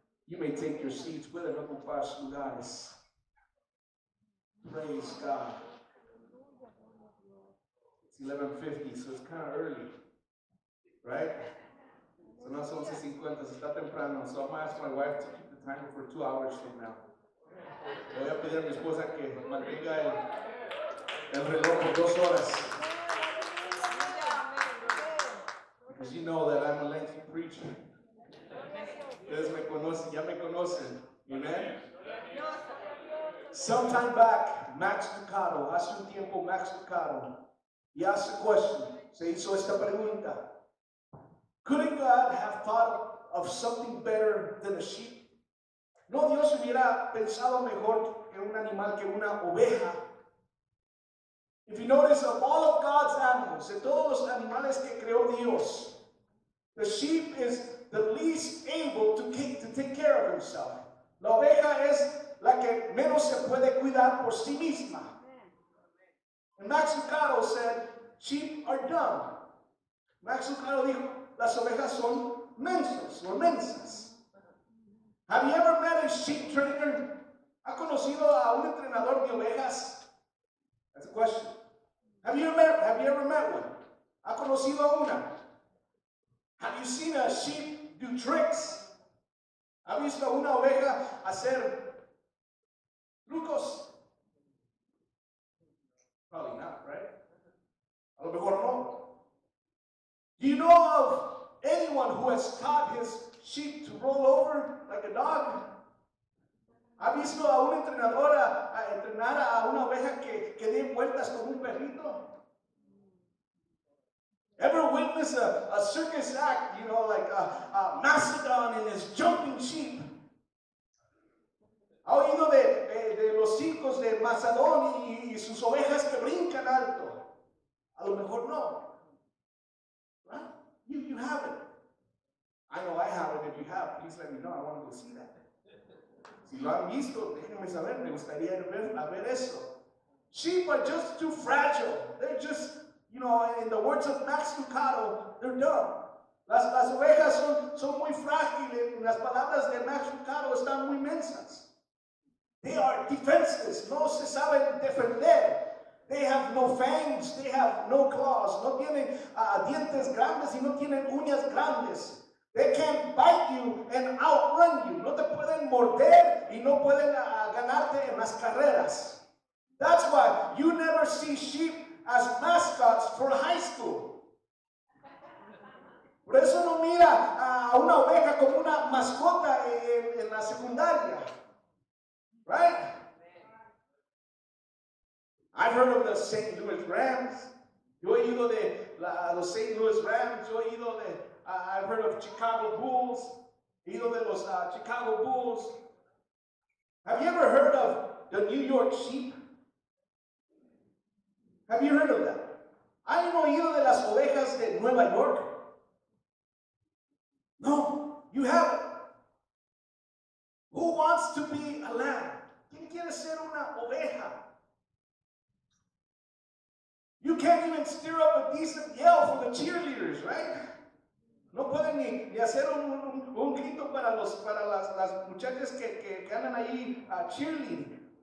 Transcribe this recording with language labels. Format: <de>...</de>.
<en>You may take your seats with a couple of pastors, guys. Praise God. It's 11:50, so it's kind of early, right? So now it's 11:50, so it's temprano. So I'm going to ask my wife to keep the time for 2 hours from now.</en> <es>Voy a pedir a mi esposa que mantenga el reloj por 2 horas.</es> <en>Because you know that I'm a lengthy preacher.</en> <es>Ustedes me conocen, ya me conocen. Amen.</es> <en>Sometime back,</en> <es>Max Lucado, hace un tiempo Max Lucado,</es> <en>he asked a question,</en> <es>se hizo esta pregunta.</es> <en>Couldn't God have thought of something better than a sheep?</en> <es>No, Dios hubiera pensado mejor que un animal, que una oveja.</es> <en>If you notice, of all of God's animals,</en> <es>de todos los animales que creó Dios,</es> <en>The sheep is the least able to take care of himself.</en> <es>La oveja es la que menos se puede cuidar por sí misma.</es> <en>And Max Lucado said, sheep are dumb.</en> <es>Max Lucado dijo, las ovejas son mensos, o mensas.</es> <en>Have you ever met a sheep trainer?</en> <es>¿Ha conocido a un entrenador de ovejas?</es> <en>That's a question. Have you ever met one?</en> <es>¿Ha conocido a una?</es> <en>Have you seen a sheep do tricks?</en> <es>¿Ha visto a una oveja hacer trucos?</es> <en>Probably not, right?</en> <es>A lo mejor no.</es> <en>Do you know of anyone who has taught his sheep to roll over like a dog?</en> <es>¿Ha visto a un entrenador a entrenar a una oveja que dé vueltas como un perrito?</es> <en>Ever witness a circus act, you know, like a mastodon and his jumping sheep?</en> <es>¿Ha oído de los circos de Mazadón y sus ovejas que brincan alto? A lo mejor no.</es> <en>You have it. I know I have it. If you have, please let me know. I want to go see that.</en> <es>Si lo han visto, déjenme saber. Me gustaría ver eso.</es> <en>Sheep are just too fragile. They're just, you know, in the words of Max Lucado, they're dumb.</en> <es>Las ovejas son muy frágiles. En las palabras de Max Lucado, están muy mensas.</es> <en>They are defenseless.</en> <es>No se saben defender.</es> <en>They have no fangs. They have no claws.</en> <es>No tienen dientes grandes y no tienen uñas grandes.</es> <en>They can't bite you and outrun you.</en> <es>No te pueden morder y no pueden ganarte en las carreras.</es> <en>That's why you never see sheep as mascots for high school.</en> <es>Por eso no mira a una oveja como una mascota en la secundaria.</es> <en>Right? I've heard of the St. Louis Rams.</en> <es>Yo he oído de los St. Louis Rams. Yo he oído de,</es> <en>I've heard of Chicago Bulls.</en> <es>He oído de los Chicago Bulls.</es> <en>Have you ever heard of the New York sheep? Have you heard of that?</en> <es>¿Hay no oído de las ovejas de Nueva York?</es> <en>No, you haven't. Who wants to be a lamb?</en> <es>¿Quién quiere ser una oveja?</es> <en>You can't even stir up a decent yell for the cheerleaders, right?</en> <es>No pueden ni hacer un grito para las muchachas que andan ahí cheerleading.</es>